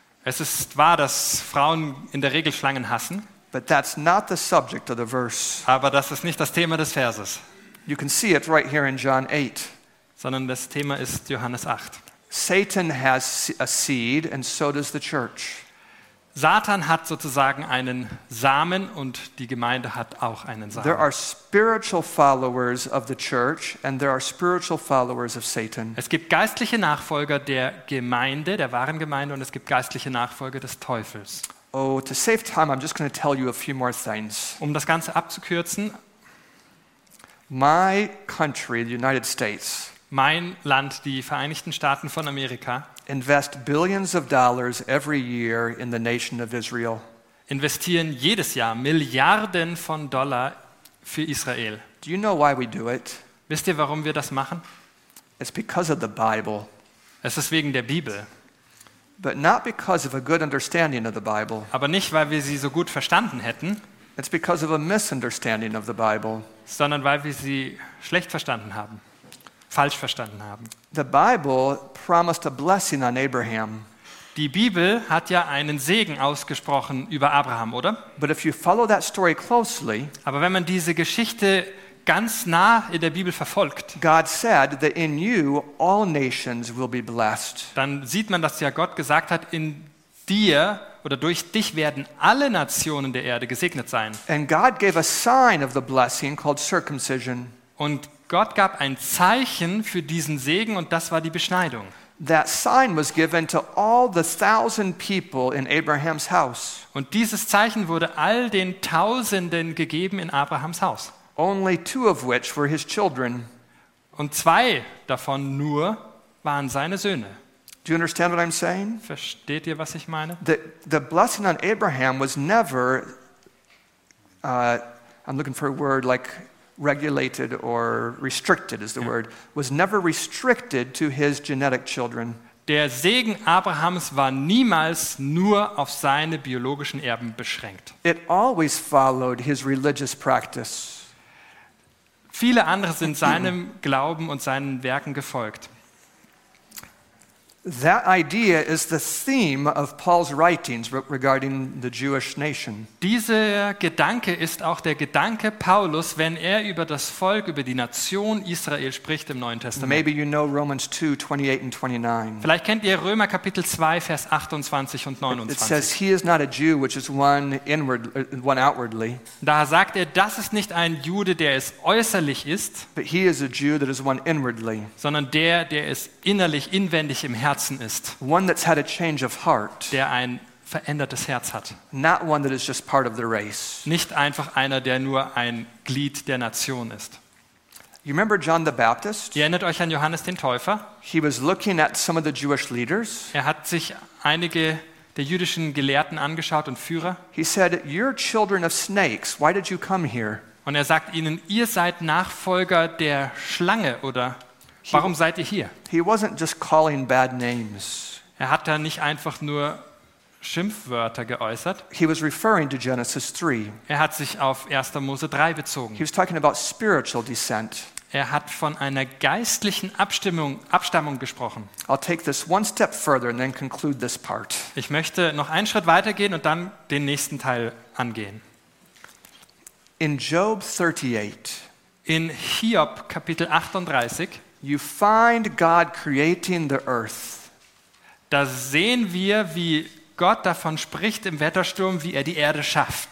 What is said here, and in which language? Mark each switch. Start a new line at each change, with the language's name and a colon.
German: Es ist wahr, dass Frauen in der Regel Schlangen hassen.
English: But that's not the subject of the verse.
German: Aber das ist nicht das Thema des Verses.
English: You can see it right here in John 8.
German: Sondern das Thema ist Johannes 8.
English: Satan has a seed and so does the church.
German: Satan hat sozusagen einen Samen und die Gemeinde hat auch einen Samen.
English: There are spiritual followers of the church and there are spiritual followers of Satan.
German: Es gibt geistliche Nachfolger der Gemeinde, der wahren Gemeinde, und es gibt geistliche Nachfolger des Teufels.
English: Oh, to save time, I'm just going to tell you a few more things.
German: Um das Ganze abzukürzen.
English: My country, the United States.
German: Mein Land, die Vereinigten Staaten von Amerika.
English: Invest billions of dollars every year in the nation of Israel.
German: Investieren jedes Jahr Milliarden von Dollar für Israel.
English: Do you know why we do it?
German: Wisst ihr, warum wir das machen?
English: It's because of the Bible.
German: Es ist wegen der Bibel.
English: But not because of a good understanding of the Bible.
German: Aber nicht, weil wir sie so gut verstanden hätten.
English: It's because of a misunderstanding of the Bible.
German: Sondern weil wir sie schlecht verstanden haben. Falsch verstanden haben.
English: The Bible promised a blessing on Abraham.
German: Die Bibel hat ja einen Segen ausgesprochen über Abraham, oder?
English: But if you follow that story closely,
German: aber wenn man diese Geschichte ganz nah in der Bibel verfolgt,
English: God said that in you all nations will be blessed.
German: Dann sieht man, dass ja Gott gesagt hat, in dir oder durch dich werden alle Nationen der Erde gesegnet sein.
English: And God gave a sign of the blessing called circumcision.
German: Und Gott gab ein Zeichen für diesen Segen und das war die Beschneidung.
English: That sign was given to all the 1,000 people in Abraham's house.
German: Und dieses Zeichen wurde all den Tausenden gegeben in Abrahams Haus.
English: Only two of which were his children.
German: Und zwei davon nur waren seine Söhne.
English: Do you understand what I'm saying?
German: Versteht ihr, was ich meine?
English: The blessing on Abraham was never I'm looking for a word like regulated or restricted is the word, was never restricted to his genetic children.
German: Der Segen Abrahams war niemals nur auf seine biologischen Erben beschränkt.
English: It always followed his religious practice.
German: Viele andere sind seinem Glauben und seinen Werken gefolgt.
English: That idea is the theme of Paul's writings regarding the Jewish nation.
German: Dieser Gedanke ist auch der Gedanke Paulus, wenn er über das Volk, über die Nation Israel spricht im Neuen Testament.
English: Maybe you know Romans 2, 28 and 29.
German: Vielleicht kennt ihr Römer Kapitel 2, Vers 28 und 29.
English: It says, he is not a Jew, which is one inward, one outwardly.
German: Da sagt er, das ist nicht ein Jude, der es äußerlich ist,
English: but he is a Jew that is one inwardly.
German: Sondern der es innerlich, inwendig im Herzen ist.
English: One that's had a change of heart.
German: Der ein verändertes Herz hat.
English: Not one that is just part of the race.
German: Nicht einfach einer, der nur ein Glied der Nation ist.
English: You remember John the Baptist?
German: Ihr erinnert euch an Johannes den Täufer?
English: He was looking at some of the Jewish leaders.
German: Er hat sich einige der jüdischen Gelehrten angeschaut und Führer.
English: He said, "You're children of snakes. Why did you come here?"
German: Und er sagt ihnen, ihr seid Nachfolger der Schlange, oder? Warum seid ihr hier?
English: He wasn't just calling bad names.
German: Er hat da nicht einfach nur Schimpfwörter geäußert.
English: He was referring to Genesis 3.
German: Er hat sich auf 1. Mose 3 bezogen.
English: He was talking about spiritual descent.
German: Er hat von einer geistlichen Abstammung gesprochen.
English: I'll take this one step further and then conclude this part.
German: Ich möchte noch einen Schritt weitergehen und dann den nächsten Teil angehen.
English: In Job 38.
German: In Hiob Kapitel 38.
English: You find God creating the earth.
German: Da sehen wir, wie Gott davon spricht im Wettersturm, wie er die Erde schafft.